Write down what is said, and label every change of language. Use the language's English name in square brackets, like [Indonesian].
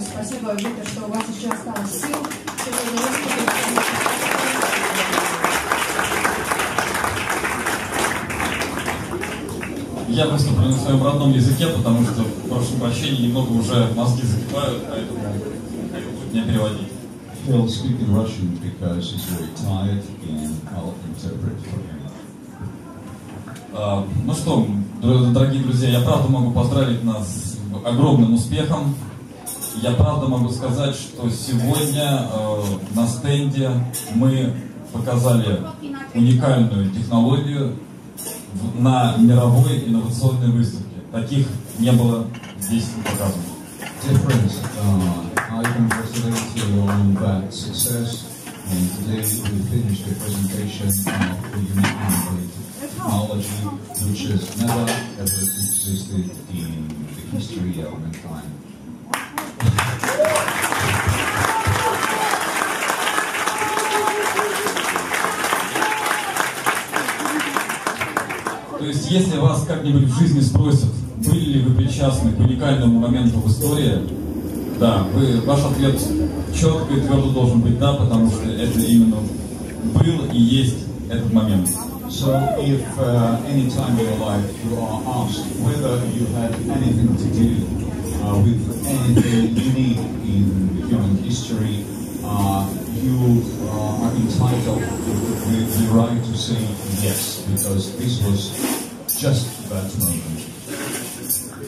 [Russian] Спасибо, Виктор, что у вас еще осталось сил. Сегодня выступим. Я выступлю на своем родном языке, потому что, прошу прощения, немного уже мозги закипают, поэтому будет меня переводить. [English] He'll speak in Russian because he's very tired and I'll interpret for him. [Russian] Ну что, дорогие друзья, я правда могу поздравить нас с огромным успехом. Я правда могу сказать, что сегодня на стенде мы показали уникальную технологию на мировой инновационной выставке. Таких не было здесь показано. [English] Difference. I congratulate you on that success. And today we finished the presentation of the unique technology which has never ever existed in the history of mankind. [Russian] То есть, если вас как-нибудь в жизни спросят, были ли вы причастны к уникальному моменту в истории, да, вы, ваш ответ четко и твердо должен быть «да», потому что это именно был и есть этот момент. [English] So, if any time in your life you are asked whether you had anything to do with anything unique in human history, you are entitled with the right to say yes, because this was just that moment.